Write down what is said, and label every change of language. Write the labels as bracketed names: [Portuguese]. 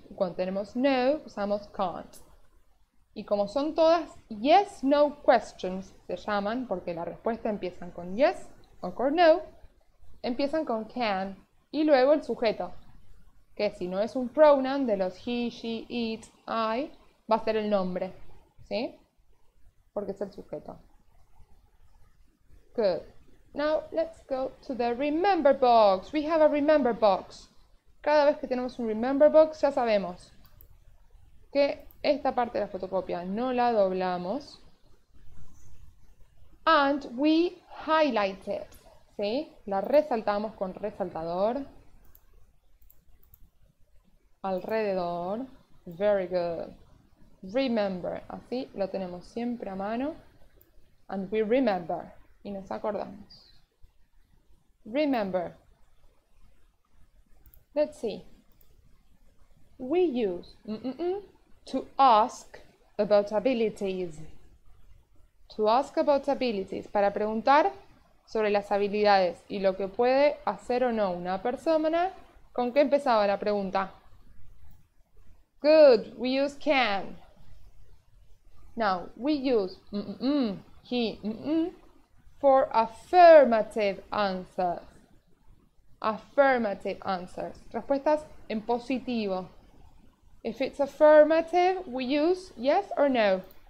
[Spanish] Y cuando tenemos no, usamos can't. Y como son todas [English] yes, no questions, [Spanish] se llaman porque la respuesta empiezan con yes o con no, empiezan con can y luego el sujeto. Que si no es un pronoun de los he, she, it, I, va a ser el nombre, ¿sí? Porque es el sujeto. [English] Good. Now, let's go to the remember box. We have a remember box. [Spanish] Cada vez que tenemos un remember box, ya sabemos que esta parte de la fotocopia no la doblamos. [English] And we highlight it. [Spanish] ¿Sí? La resaltamos con resaltador. Alrededor. [English] Very good. Remember. [Spanish] Así lo tenemos siempre a mano. [English] And we remember. [Spanish] Y nos acordamos. [English] Remember. Let's see. We use... to ask about abilities. To ask about abilities. [Spanish] Para preguntar sobre las habilidades y lo que puede hacer o no una persona. ¿Con qué empezaba la pregunta? [English] Good, we use can. Now, we use he, for affirmative answers. Affirmative answers. [Spanish] Respuestas en positivo. [English] If it's affirmative, we use yes or no.